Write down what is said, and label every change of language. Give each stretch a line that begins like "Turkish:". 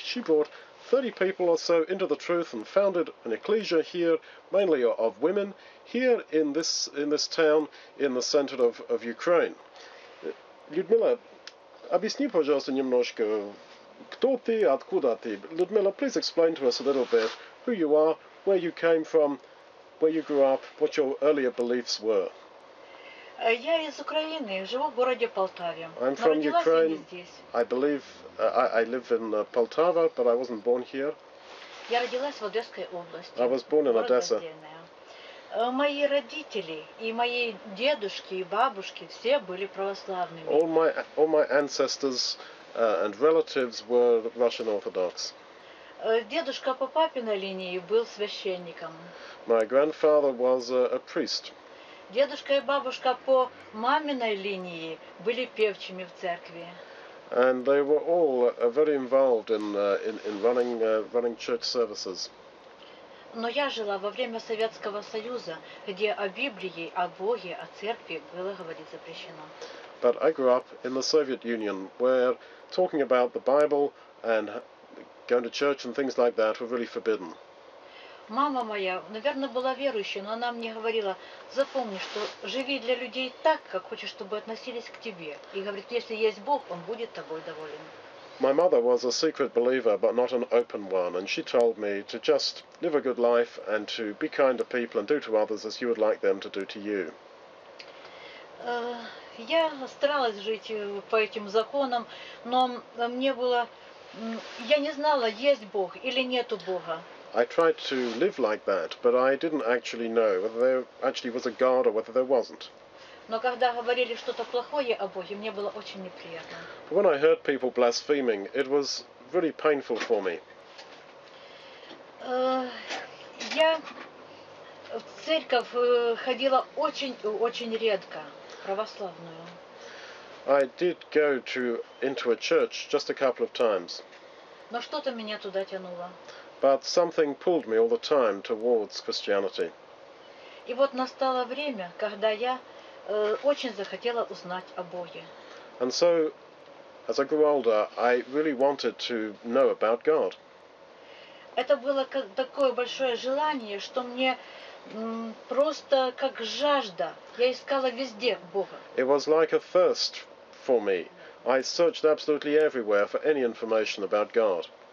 English: She brought 30 people or so into the truth and founded an ecclesia here, mainly of women, here in this town in the center of Ukraine.
Russian: Ludmilla, объясни, пожалуйста, немножко. Кто ты, откуда ты?
English: Людмила, please explain to us a little bit who you are, where you came from, where you grew up, what your earlier beliefs were.
Russian: Я из Украины, живу в городе Полтаве.
English: I'm from Ukraine. I live in Poltava, but I wasn't born here.
Russian: Я родилась в Одесской области.
English: I was born in Odessa.
Russian: Мои родители и мои дедушки и бабушки все были православными.
English: All my ancestors and relatives were Russian Orthodox.
Russian: Дедушка по папиной линии был священником.
English: My grandfather was a priest.
Russian: Дедушка и бабушка по маминой линии были певчими в церкви.
English: And they were all very involved in running church services.
Russian: Но я жила во время Советского Союза, где о Библии, о Боге, о церкви было говорить запрещено.
English: but I grew up in the Soviet Union, where talking about the Bible and going to church and things like that were really forbidden.
Russian: Мама моя, наверное, була верующей, но она мне говорила: "Запомни, что живи для людей так, как хочешь, чтобы относились к тебе". И говорит: "Если есть Бог, он будет тобой доволен".
English: My mother was a secret believer, but not an open one, and she told me to just live a good life and to be kind to people and do to others as you would like them to do to you.
Russian: Я старалась жить по этим законам, но мне было я не знала, есть Бог или нету Бога.
English: I tried to live like that, but I didn't actually know whether there actually was a God or whether there wasn't.
Russian: Но когда говорили что-то плохое о Боге, мне было очень неприятно.
English: But when I heard people blaspheming, it was really painful for me.
Russian: Я в церковь ходила очень-очень редко, православную.
English: I did go into a church just a couple of times.
Russian: Но что-то меня туда тянуло.
English: But something pulled me all the time towards Christianity.
Russian: И вот настало время, когда я очень захотела узнать о Боге.
English: And so, as I grew older, I really wanted to know about God.
Russian: Это было как такое большое желание, что мне просто как жажда. Я искала везде Бога.
English: It was like a thirst for me. I searched absolutely everywhere for any information about God.